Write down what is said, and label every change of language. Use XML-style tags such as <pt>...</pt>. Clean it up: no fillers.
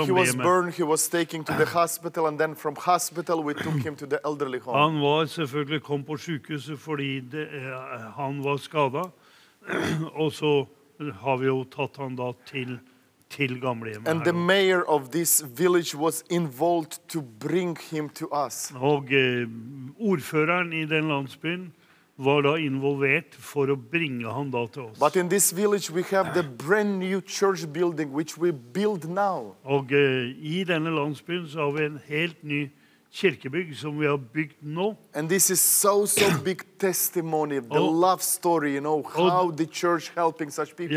<en>Yeah, he was burned, he was taken to the hospital, and then from hospital we took him to the elderly home.</en> <no>Han var selvfølgelig kom på sykehuset fordi han var skadet, og så har vi jo tatt han da til gamlehjemmet.</no> <en>And the mayor of this village was involved to bring him to us.</en> <no>Og ordføreren I den landsbyen var da involvert for å bringe han da til oss.</no> <en>But in this village we have the brand new church building which we build now.</en> <no>Og I denne landsbyen så har vi en helt ny kirkebygg som vi har bygd nå.</no> <en>And this is so big testimony of the love story, you know, how the church helping such people.</en>